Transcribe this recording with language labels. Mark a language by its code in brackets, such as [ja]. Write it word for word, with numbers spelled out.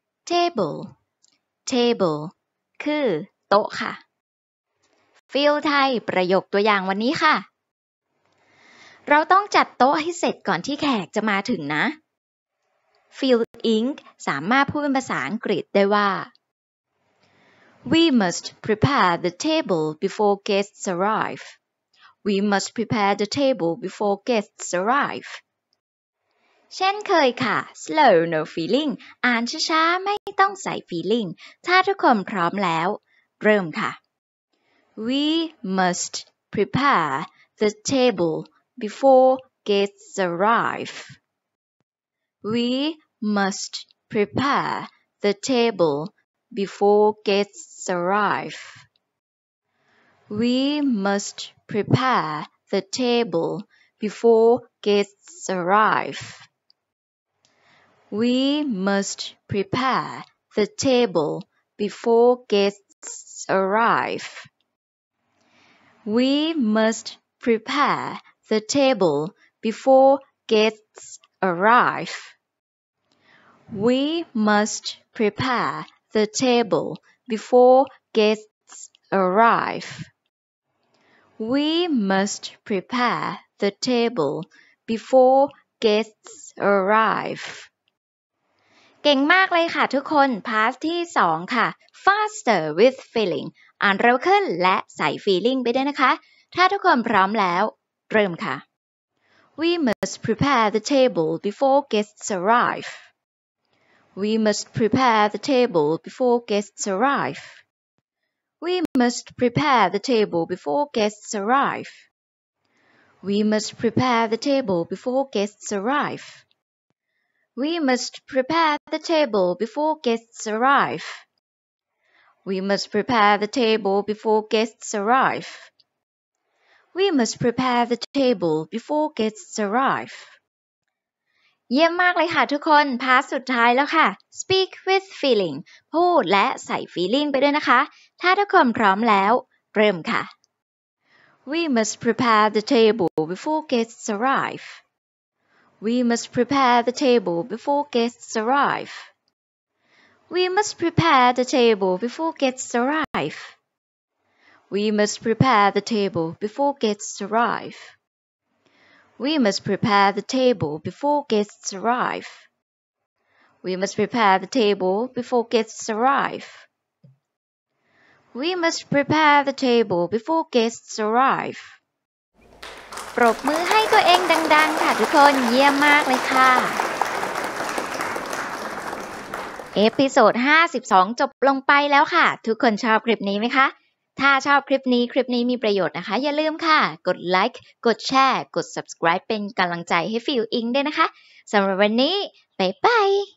[th] table table คือโต๊ะค่ะ Feel ไทยประโยคตัวอย่างวันนี้ค่ะ เราต้องจัดโต๊ะให้เสร็จก่อนที่แขกจะมาถึงนะ Feel อิงค์ สามารถพูดเป็นภาษาอังกฤษได้ว่า [en] We must prepare the table before guests arrive. We must prepare the table before guests arrive. [th] เช่นเคยค่ะ slow no feeling อ่านช้าๆ ไม่ต้องใส่ feeling ถ้าทุกคนพร้อมแล้ว เริ่มค่ะ [en] We must prepare the table before guests arrive. We must prepare the table before guests arrive. We must prepare the table before guests arrive. We must prepare the table before guests arrive. We must prepare the table before guests arrive. We must prepare the table before guests arrive. We must prepare the table before guests arrive. [th] เก่งมากเลยค่ะทุกคน พาร์ทที่ สอง ค่ะ Faster with feeling อ่านเร็วขึ้นและใส่ feeling ไปด้วยนะคะ ถ้าทุกคนพร้อมแล้ว เริ่มค่ะ [en] We must prepare the table before guests arrive. We must prepare the table before guests arrive. We must prepare the table before guests arrive. We must prepare the table before guests arrive. We must prepare the table before guests arrive. We must prepare the table before guests arrive. We must prepare the table before guests arrive. [th] เยี่ยมมากเลยค่ะทุกคน พาร์ทสุดท้ายแล้วค่ะ Speak with feeling พูดและใส่ feeling ไปด้วยนะคะ ถ้าทุกคนพร้อมแล้ว เริ่มค่ะ [en] We must prepare the table before guests arrive. We must prepare the table before guests arrive. We must prepare the table before guests arrive. We must prepare the table before guests arrive. We must prepare the table before guests arrive. We must prepare the table before guests arrive. We must prepare the table before guests arrive. [th] ปรบมือให้ตัวเองดังๆ ค่ะทุกคนเยี่ยมมากเลยค่ะเอพิโซดห้าสิบสองจบลงไปแล้วค่ะทุกคนชอบคลิปนี้ไหมคะถ้าชอบคลิปนี้คลิปนี้มีประโยชน์นะคะอย่าลืมค่ะกดไลค์กดแชร์กด Subscribe เป็นกำลังใจให้ Feel อิงค์ ด้วยนะคะสำหรับวันนี้บ๊ายบาย